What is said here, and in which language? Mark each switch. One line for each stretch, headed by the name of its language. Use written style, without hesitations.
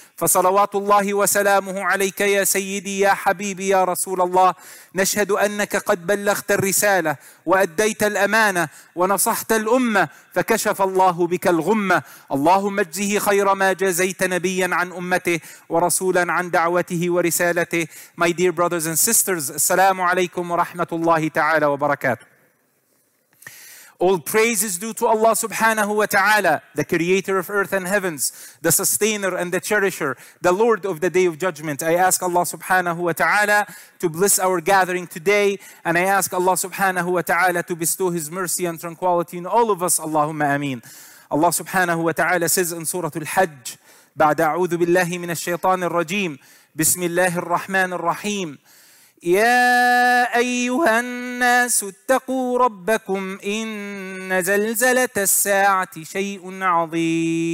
Arabic: فصلوات الله وسلامه عليك يا سيدي يا حبيبي يا رسول الله، نشهد أنك قد بلغت الرسالة وأديت الأمانة ونصحت الأمة، فكشف الله بك الغمة. اللهم اجزه خير ما جزيت نبيا عن أمته ورسولا عن دعوته ورسالته.
English: My dear brothers and sisters,
Arabic: السلام عليكم ورحمة الله تعالى وبركاته.
English: All praise is due to Allah subhanahu wa ta'ala, the creator of earth and heavens, the sustainer and the cherisher, the Lord of the day of judgment. I ask Allah subhanahu wa ta'ala to bless our gathering today, and I ask Allah subhanahu wa ta'ala to bestow his mercy and tranquility in all of us.
Arabic: Allahumma ameen.
English: Allah subhanahu wa ta'ala says in Surah Al-Hajj,
Arabic: بعد أعوذ بالله من الشيطان الرجيم بسم الله الرحمن الرحيم: يا أيها الناس اتقوا ربكم إن زلزلة الساعة شيء عظيم،